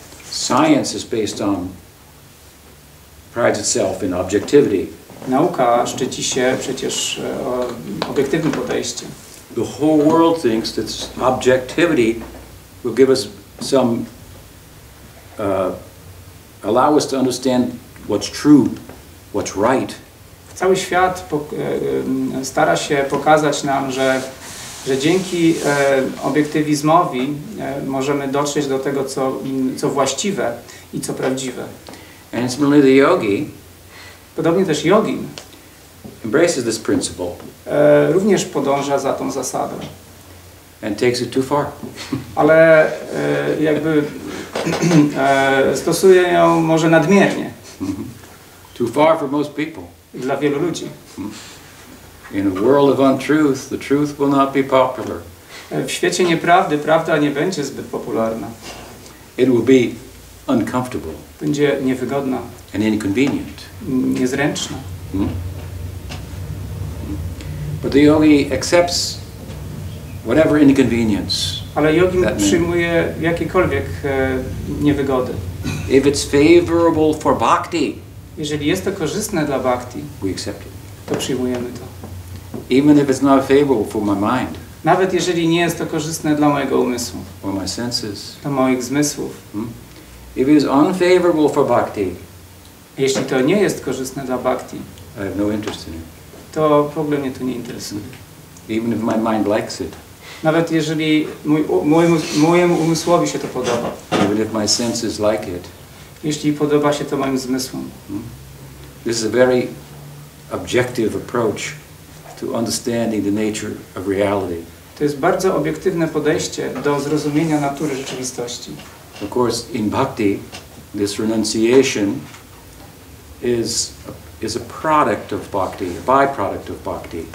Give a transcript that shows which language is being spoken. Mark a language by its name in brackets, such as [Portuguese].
[English] Science is based on prides itself in objectivity. [Polish] Nauka szczyci się przecież obiektywnym podejściem. [English] The whole world thinks that objectivity will give us some allow us to understand what's true, what's right. [Polish] Cały świat stara się pokazać nam, że dzięki obiektywizmowi możemy dotrzeć do tego, co właściwe i co prawdziwe. [English] And similarly the yogi, [Polish] podobnie też jogin, [English] embraces this principle, [Polish] również podąża za tą zasadą. [English] And takes it too far. [Polish] Ale jakby stosuje ją może nadmiernie. [English] Too far for most people. [Polish] Dla wielu ludzi. [English] In a world of untruth, the truth will not be popular. [Polish] W świecie nieprawdy prawda nie będzie zbyt popularna. [English] It will be uncomfortable. [Polish] Będzie niewygodna. [English] And inconvenient. [Polish] Niezręczna. [English] But the yogi accepts whatever inconvenience. [Polish] Ale jogin przyjmuje jakiekolwiek niewygody. [English] If it's favorable for bhakti, [Polish] jeżeli jest to korzystne dla bhakti, [English] we accept it. [Polish] To przyjmujemy to. [English] Even if it's not favorable for my mind, [Polish] nawet jeżeli nie jest to korzystne dla mojego umysłu, [English] or my senses, [Polish] dla moich zmysłów. [English] If it's unfavorable for bhakti, [Polish] jeśli to nie jest korzystne dla bhakti, [English] I have no interest in it. [Polish] To w ogóle mnie to nie interesuje. [English] Even if my mind likes it, [Polish] nawet jeżeli mojemu umysłowi się to podoba, [English] even if my senses like it, [Polish] jeśli podoba się to moim zmysłom. [English] This is a very objective approach to understanding the nature of reality. [Polish] To jest bardzo obiektywne podejście do zrozumienia natury rzeczywistości. [English] Of course, in bhakti, this renunciation is a product of bhakti, a byproduct of bhakti.